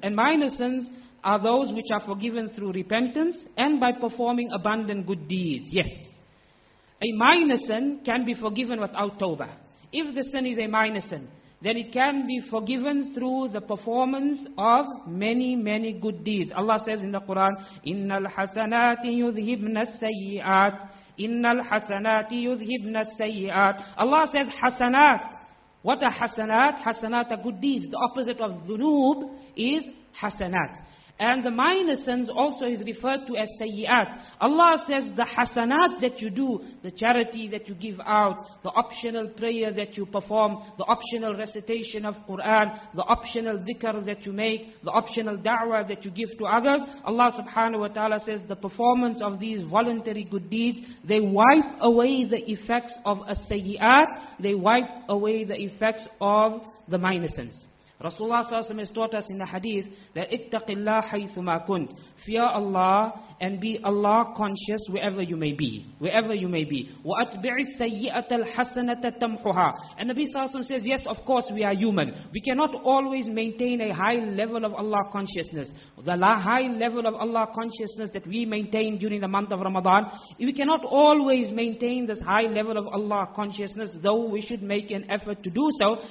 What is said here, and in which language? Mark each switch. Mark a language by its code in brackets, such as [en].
[en] And minor sins are those which are forgiven through repentance and by performing abundant good deeds. Yes. A minor sin can be forgiven without tawbah. If the sin is a minor sin, then it can be forgiven through the performance of many, many good deeds. Allah says in the Quran, إِنَّ الْحَسَنَاتِ يُذْهِبْنَ السَّيِّئَاتِ إِنَّ الْحَسَنَاتِ يُذْهِبْنَ السَّيِّئَاتِ Allah says, حَسَنَات. What are حَسَنَات? حَسَنَات are good deeds. The opposite of dhunub is حَسَنَات. And the minor sins also is referred to as sayyi'at. Allah says the hasanat that you do, the charity that you give out, the optional prayer that you perform, the optional recitation of Quran, the optional dhikr that you make, the optional da'wah that you give to others, Allah subhanahu wa ta'ala says the performance of these voluntary good deeds, they wipe away the effects of a sayyi'at, they wipe away the effects of the minor sins. Rasulullah sallallahu alaihi wasallam has taught us in the hadith that اتق الله حيث ما كنت. Fear Allah and be Allah conscious wherever you may be. Wherever you may be. [ar] واتبع السيئة الحسنة تمحها. [en] And Nabi sallallahu alaihi wasallam says, yes, of course we are human. We cannot always maintain a high level of Allah consciousness. The high level of Allah consciousness that we maintain during the month of Ramadan. We cannot always maintain this high level of Allah consciousness, though we should make an effort to do so.